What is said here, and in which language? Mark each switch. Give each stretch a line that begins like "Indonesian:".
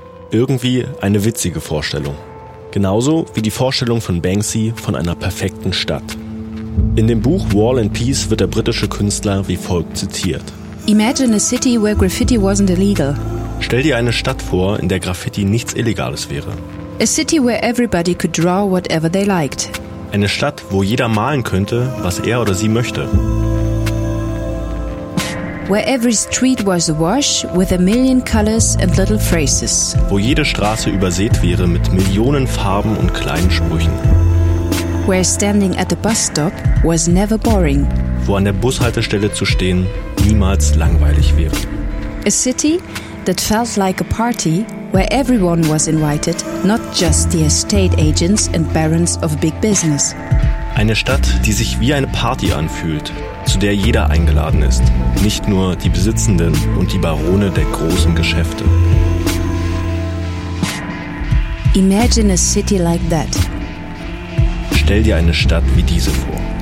German: Irgendwie eine witzige Vorstellung. Genauso wie die Vorstellung von Banksy von einer perfekten Stadt. In dem Buch Wall and Peace wird der britische Künstler wie folgt zitiert.
English: Imagine a city where graffiti wasn't illegal.
German: Stell dir eine Stadt vor, in der Graffiti nichts Illegales wäre.
English: A city where everybody could draw whatever they liked.
German: Eine Stadt, wo jeder malen könnte, was er oder sie möchte.
English: Where every street was awash with a million colors and little phrases.
German: Wo jede Straße übersät wäre mit Millionen Farben und kleinen Sprüchen.
English: Where standing at the bus stop was never boring.
German: Wo an der Bushaltestelle zu stehen niemals langweilig wäre.
English: A city that felt like a party, where everyone was invited, not just the estate agents and barons of big business.
German: Eine Stadt, die sich wie eine Party anfühlt, zu der jeder eingeladen ist. Nicht nur die Besitzenden und die Barone der großen Geschäfte.
English: Imagine a city like that.
German: Stell dir eine Stadt wie diese vor.